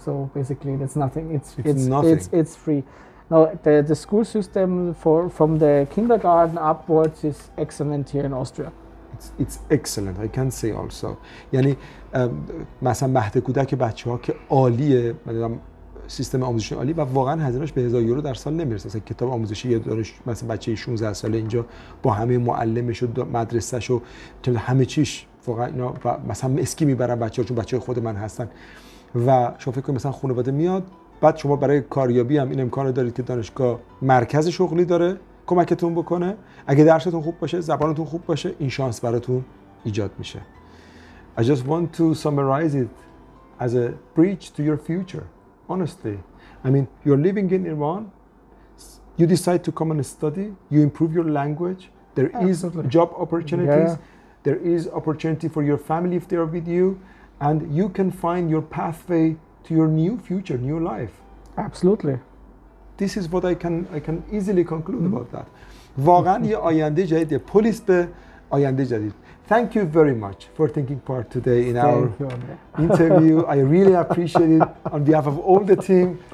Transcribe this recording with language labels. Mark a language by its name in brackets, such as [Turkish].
[English] So basically, that's nothing. It's nothing. It's free. Now, the school system from the kindergarten upwards is excellent here in Austria. It's excellent. I can say also. [Persian] یعنی مثلا مهد کودک بچه ها که عالیه، مثلا سیستم آموزشی عالی و واقعا هزینه‌اش به 1000 یورو در سال نمیرسه. مثلا کتاب آموزشی یه دانش مثلا بچه 16 ساله اینجا با همه معلمش و مدرسه‌ش و همه چیش واقعا اینا و مثلا اسکی میبرن بچه ها چون بچه خود من هستن و شما فکر کنید مثلا خانواده میاد، بعد شما برای کاریابی هم این امکان رو دارید که دانشگاه مرکز شغلی داره کمکتون بکنه، اگه درستون خوب باشه، زبانتون خوب باشه، این شانس براتون ایجاد میشه. [English] I just want to summarize it as a bridge to your future, honestly. I mean, you're living in Iran, you decide to come and study, you improve your language, there is job opportunities, yeah. There is opportunity for your family if they are with you, and you can find your pathway to your new future, new life. Absolutely. This is what I can easily conclude mm-hmm. about that. [Persian] واقعاً یه آینده جدید، پلیس به آینده جدید. [English] Thank you very much for taking part today in our interview. I really appreciate it on behalf of all the team.